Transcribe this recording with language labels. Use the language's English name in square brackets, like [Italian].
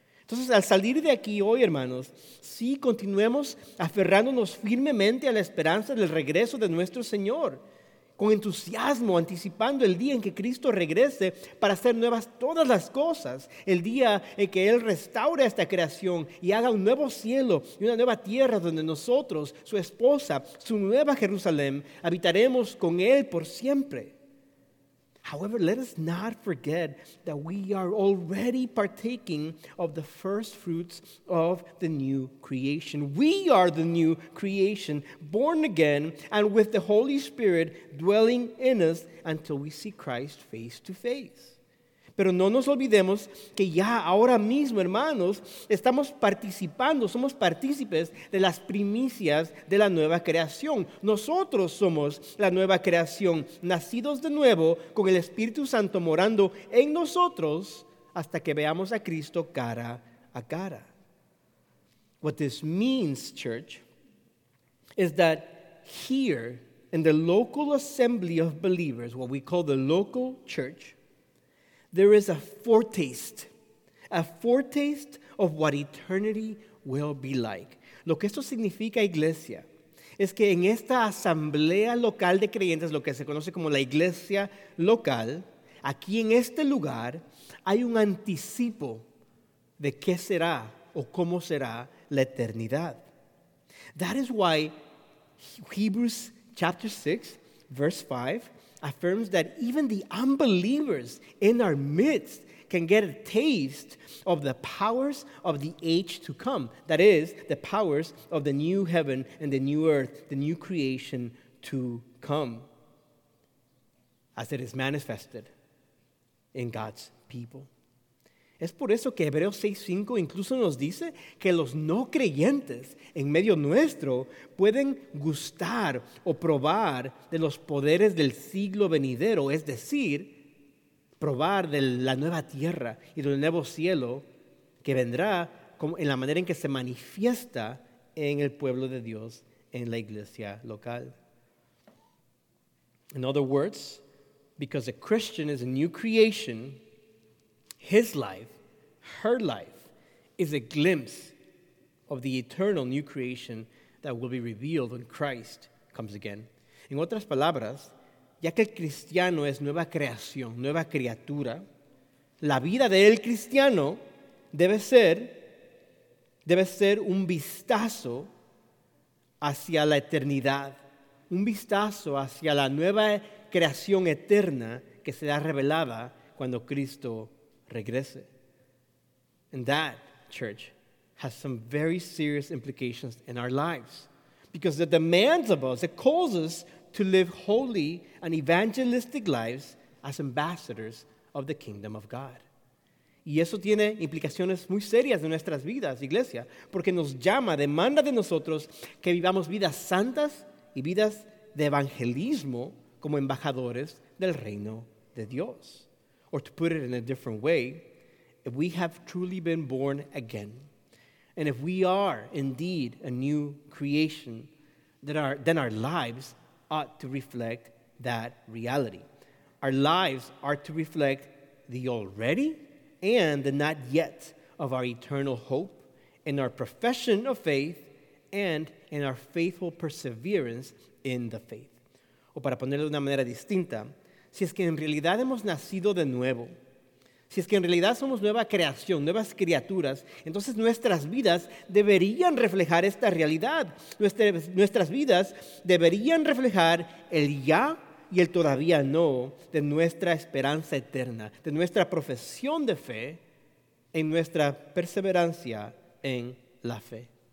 [Spanish] Entonces, al salir de aquí hoy, hermanos, sí, continuemos aferrándonos firmemente a la esperanza del regreso de nuestro Señor, con entusiasmo, anticipando el día en que Cristo regrese para hacer nuevas todas las cosas, el día en que Él restaure esta creación y haga un nuevo cielo y una nueva tierra donde nosotros, su esposa, su nueva Jerusalén, habitaremos con Él por siempre. [English] However, let us not forget that we are already partaking of the first fruits of the new creation. We are the new creation, born again and with the Holy Spirit dwelling in us until we see Christ face to face. [Spanish] Pero no nos olvidemos que ya ahora mismo, hermanos, estamos participando, somos partícipes de las primicias de la nueva creación. Nosotros somos la nueva creación, nacidos de nuevo con el Espíritu Santo morando en nosotros hasta que veamos a Cristo cara a cara. [English] What this means, church, is that here in the local assembly of believers, what we call the local church, there is a foretaste of what eternity will be like. [Spanish] Lo que esto significa, iglesia, es que en esta asamblea local de creyentes, lo que se conoce como la iglesia local, aquí en este lugar hay un anticipo de qué será o cómo será la eternidad. [English] That is why Hebrews chapter 6, verse 5, affirms that even the unbelievers in our midst can get a taste of the powers of the age to come. That is, the powers of the new heaven and the new earth, the new creation to come, as it is manifested in God's people. [Spanish] Es por eso que Hebreos 6:5 incluso nos dice que los no creyentes en medio nuestro pueden gustar o probar de los poderes del siglo venidero, es decir, probar de la nueva tierra y del nuevo cielo que vendrá en la manera en que se manifiesta en el pueblo de Dios, en la iglesia local. [English] In other words, because a Christian is a new creation, his life, her life, is a glimpse of the eternal new creation that will be revealed when Christ comes again. [Spanish] En otras palabras, ya que el cristiano es nueva creación, nueva criatura, la vida del cristiano debe ser un vistazo hacia la eternidad, un vistazo hacia la nueva creación eterna que será revelada cuando Cristo regrese. [English] And that, church, has some very serious implications in our lives, because it demands of us, it calls us to live holy and evangelistic lives as ambassadors of the kingdom of God. [Spanish] Y eso tiene implicaciones muy serias en nuestras vidas, iglesia, porque nos llama, demanda de nosotros que vivamos vidas santas y vidas de evangelismo como embajadores del reino de Dios. [English] Or to put it in a different way, if we have truly been born again, and if we are indeed a new creation, then our lives ought to reflect that reality. Our lives are to reflect the already and the not yet of our eternal hope in our profession of faith and in our faithful perseverance in the faith. [Spanish] O para ponerlo de una manera distinta, si es que en realidad hemos nacido de nuevo, si es que en realidad somos nueva creación, nuevas criaturas, entonces nuestras vidas deberían reflejar esta realidad. Nuestras vidas deberían reflejar el ya y el todavía no de nuestra esperanza eterna, de nuestra profesión de fe, en nuestra perseverancia en la fe.